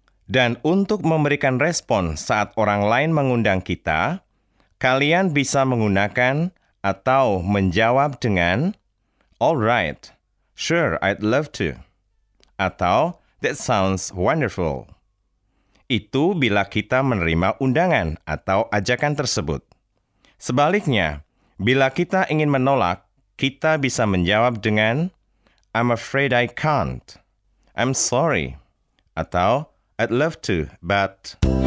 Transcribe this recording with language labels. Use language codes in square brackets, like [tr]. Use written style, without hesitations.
[id] Dan untuk memberikan respon saat orang lain mengundang kita, kalian bisa menggunakan atau menjawab dengan [en] All right, sure, I'd love to. [id] Atau [en] that sounds wonderful. [id] Itu bila kita menerima undangan atau ajakan tersebut. Sebaliknya, bila kita ingin menolak, kita bisa menjawab dengan [en] I'm afraid I can't. I'm sorry. [id] Atau, [en] I'd love to, but...